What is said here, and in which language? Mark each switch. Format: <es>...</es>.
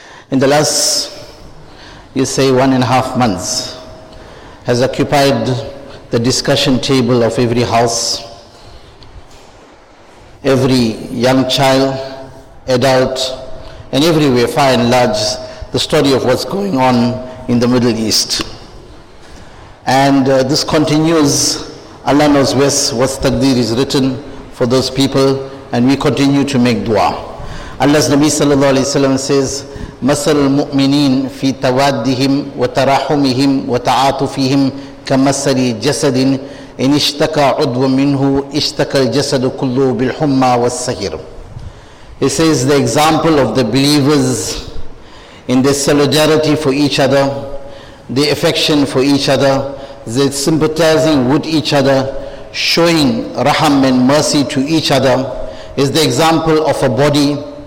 <en>in the last, you say, 1.5 months has occupied the discussion table of every house, every young child, adult, and everywhere, far and large, the story of what's going on in the Middle East. And this continues. Allah knows best what taqdeer is written for those people, and we continue to make dua. Allah's Nabi sallallahu alayhi wa sallam says,</en> <ar>مَثَلُ الْمُؤْمِنِينَ فِي تَوَادِّهِمْ وَتَرَاحُمِهِمْ وَتَعَاطُفِهِمْ كَمَثَلِ جَسَدٍ إِنِ اشْتَكَى عُضْوًا مِّنْهُ اشْتَكَى الْجَسَدُ كُلُّهُ بِالْحُمَّى وَالسَّهِرِ.</ar> <en>He says, the example of the believers in their solidarity for each other, their affection for each other, their sympathizing with each other, showing raham and mercy to each other, is the example of a body.</en>